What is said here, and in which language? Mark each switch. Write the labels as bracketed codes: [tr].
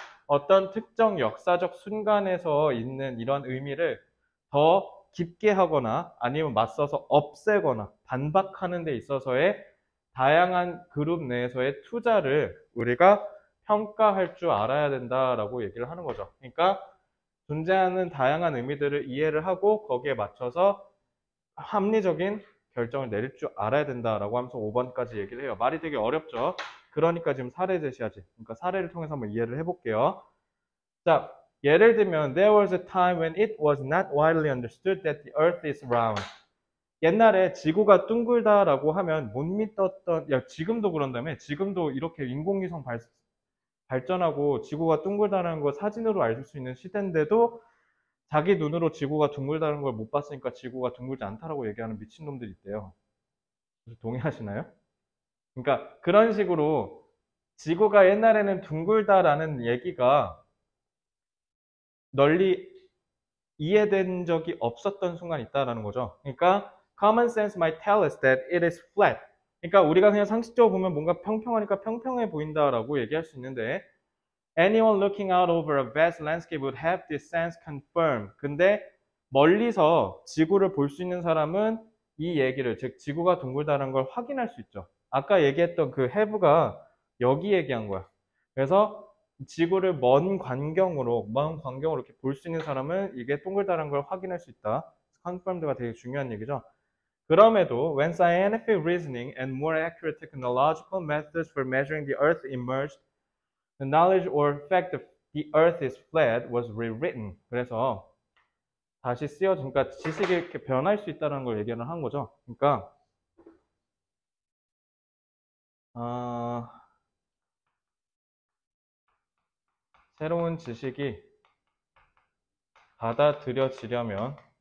[ko] 어떤 특정 역사적 순간에서 있는 이런 의미를 더 깊게 하거나 아니면 맞서서 없애거나 반박하는 데 있어서의 다양한 그룹 내에서의 투자를 우리가 평가할 줄 알아야 된다라고 얘기를 하는 거죠. 그러니까 존재하는 다양한 의미들을 이해를 하고 거기에 맞춰서 합리적인 결정을 내릴 줄 알아야 된다라고 하면서 5번까지 얘기를 해요. 말이 되게 어렵죠? 그러니까 지금 사례 제시하지. 그러니까 사례를 통해서 한번 이해를 해볼게요. 자, 예를 들면 [en] There was a time when it was not widely understood that the earth is round. [ko] 옛날에 지구가 둥글다라고 하면 못 믿었던, 야, 지금도 그런다며? 지금도 이렇게 인공위성 발전하고 지구가 둥글다는 걸 사진으로 알수 있는 시대인데도 자기 눈으로 지구가 둥글다는 걸못 봤으니까 지구가 둥글지 않다라고 얘기하는 미친놈들이 있대요. 동의하시나요? 그러니까 그런 식으로 지구가 옛날에는 둥글다라는 얘기가 널리 이해된 적이 없었던 순간이 있다라는 거죠. 그러니까 [en] Common sense might tell us that it is flat. [ko] 그러니까 우리가 그냥 상식적으로 보면 뭔가 평평하니까 평평해 보인다라고 얘기할 수 있는데, [en] anyone looking out over a vast landscape would have this sense confirmed. [ko] 근데 멀리서 지구를 볼수 있는 사람은 이 얘기를, 즉 지구가 둥글다는 걸 확인할 수 있죠. 아까 얘기했던 그 have가 여기 얘기한 거야. 그래서 지구를 먼 광경으로 이렇게 볼수 있는 사람은 이게 둥글다는 걸 확인할 수 있다. confirmed가 되게 중요한 얘기죠. 그럼에도, [en] when scientific reasoning and more accurate technological methods for measuring the earth emerged, the knowledge or fact that the earth is flat was rewritten. [ko] 그래서, 다시 쓰여진, 그러니까 지식이 이렇게 변할 수 있다는 걸 얘기를 한 거죠. 그러니까, 새로운 지식이 받아들여지려면,